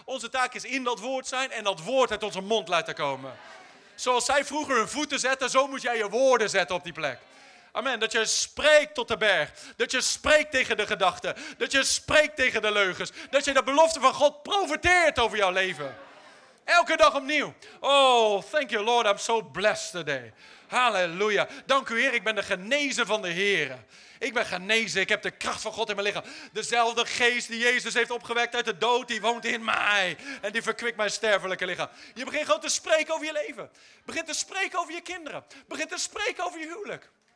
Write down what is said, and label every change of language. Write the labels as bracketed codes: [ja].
[nl] Onze taak is in dat woord zijn en dat woord uit onze mond laten komen. Zoals zij vroeger hun voeten zetten, zo moet jij je woorden zetten op die plek. Amen. Dat je spreekt tot de berg. Dat je spreekt tegen de gedachten. Dat je spreekt tegen de leugens. Dat je de belofte van God profeteert over jouw leven. Elke dag opnieuw. [en] Oh, thank you Lord, I'm so blessed today. [nl] Halleluja. Dank u Heer, ik ben de genezen van de Heere. Ik ben genezen, ik heb de kracht van God in mijn lichaam. Dezelfde geest die Jezus heeft opgewekt uit de dood, die woont in mij. En die verkwikt mijn sterfelijke lichaam. Je begint gewoon te spreken over je leven. Begint te spreken over je kinderen. Begint te spreken over je huwelijk.